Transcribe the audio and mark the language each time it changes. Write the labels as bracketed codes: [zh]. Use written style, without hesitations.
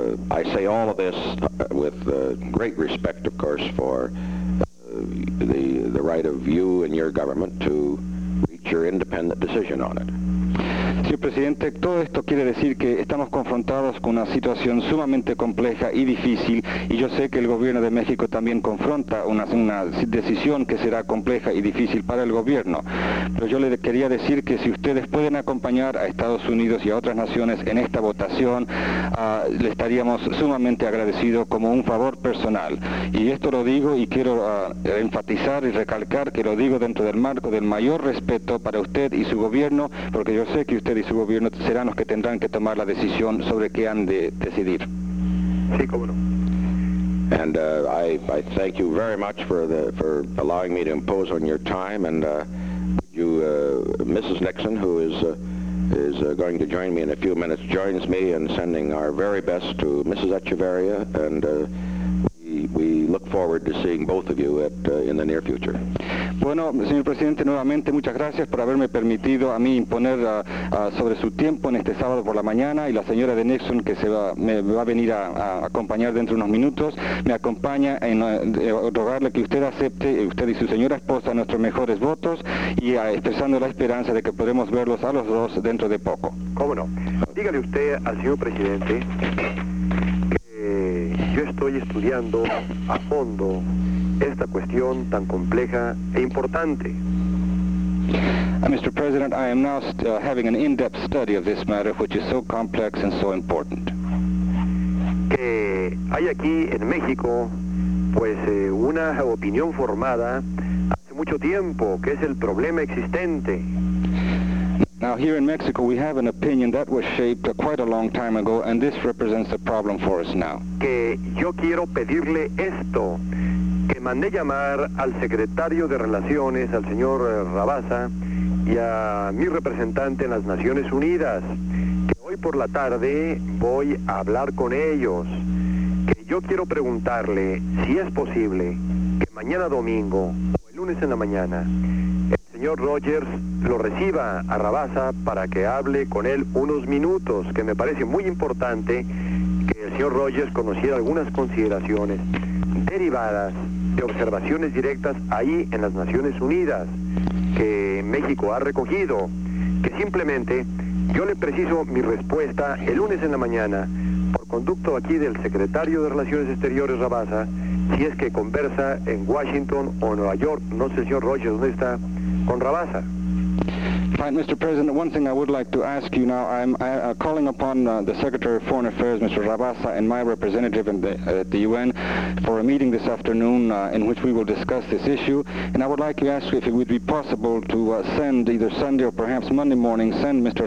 [en] I say all of this with great respect, of course, for the right of you and your government to reach your independent decision on it. [es] Señor presidente, todo esto quiere decir que estamos confrontados con una situación sumamente compleja y difícil, y yo sé que el gobierno de México también confronta una decisión que será compleja y difícil para el gobierno. Pero yo le quería decir que si ustedes pueden acompañar a Estados Unidos y a otras naciones en esta votación, le estaríamos sumamente agradecidos como un favor personal. Y esto lo digo y quiero enfatizar y recalcar que lo digo dentro del marco del mayor respeto para usted y su gobierno, porque yo sé que usted y su gobierno serán los que tendrán que tomar la decisión sobre qué han de decidir. Sí, cómo no. [en] And I thank you very much for allowing me to impose on your time, and Mrs. Nixon, who is going to join me in a few minutes, joins me in sending our very best to Mrs. Echeverria, and we look forward to seeing both of you in the near future. [es] Bueno, señor presidente, nuevamente muchas gracias por haberme permitido a mí imponer sobre su tiempo en este sábado por la mañana, y la señora de Nixon, que me va a venir a acompañar dentro de unos minutos, me acompaña en rogarle que usted acepte, usted y su señora esposa, nuestros mejores votos, y expresando la esperanza de que podremos verlos a los dos dentro de poco. ¿Cómo no? Dígale usted al señor presidente que yo estoy estudiando a fondo esta cuestión tan compleja e importante. [en] Mr. President, I am now having an in-depth study of this matter, which is so complex and so important. [es] Que hay aquí en México, pues, una opinión formada hace mucho tiempo, que es el problema existente. [en] Now, here in Mexico, we have an opinion that was shaped quite a long time ago, and this represents a problem for us now. [es] Que yo quiero pedirle esto, que mandé llamar al secretario de Relaciones, al señor Rabassa, y a mi representante en las Naciones Unidas, que hoy por la tarde voy a hablar con ellos, que yo quiero preguntarle si es posible que mañana domingo o el lunes en la mañana el señor Rogers lo reciba a Rabassa para que hable con él unos minutos, que me parece muy importante que el señor Rogers conociera algunas consideraciones derivadas de observaciones directas ahí en las Naciones Unidas que México ha recogido, que simplemente yo le preciso mi respuesta el lunes en la mañana por conducto aquí del secretario de Relaciones Exteriores Rabassa, si es que conversa en Washington o Nueva York, no sé, señor Rogers, ¿dónde está? Con Rabassa. [en] Right, Mr. President, one thing I would like to ask you now, I'm calling upon the Secretary of Foreign Affairs, Mr. Rabassa, and my representative at the UN for a meeting this afternoon in which we will discuss this issue. And I would like to ask if it would be possible to send either Sunday or perhaps Monday morning, send Mr.